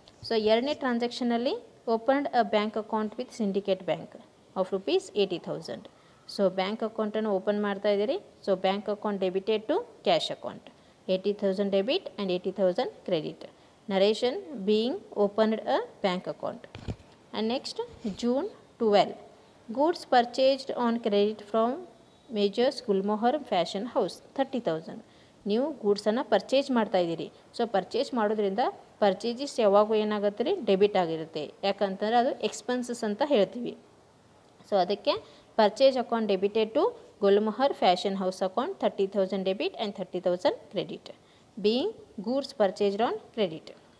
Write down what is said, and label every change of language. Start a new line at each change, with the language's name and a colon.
English: So ಎರಡನೇ transaction ಅಲ್ಲಿ opened a bank account with Syndicate Bank of rupees 80,000.
Kannada: So bank account ಅನ್ನು open ಮಾಡ್ತಾ ಇದ್ದೀರಿ.
English: So bank account debited to cash account, 80,000 debit and 80,000 credit. Narration, being opened a bank account. And next June 12, goods purchased on credit from Majors Gulmohar Fashion House, 30,000.
Kannada: ನೀವು ಗೂಡ್ಸನ್ನು purchase ಮಾಡ್ತಾ ಇದ್ದೀರಿ. So purchase ಮಾಡೋದ್ರಿಂದ purchases ಯಾವಾಗೂ ಏನಾಗುತ್ತೆ ರೀ, debit ಆಗಿರುತ್ತೆ. ಯಾಕಂತಂದರೆ ಅದು ಎಕ್ಸ್ಪೆನ್ಸಸ್ ಅಂತ ಹೇಳ್ತೀವಿ.
English: So ಅದಕ್ಕೆ purchase account debited to Gulmohar Fashion House account, 30,000 debit and 30,000 credit, being goods purchased on credit.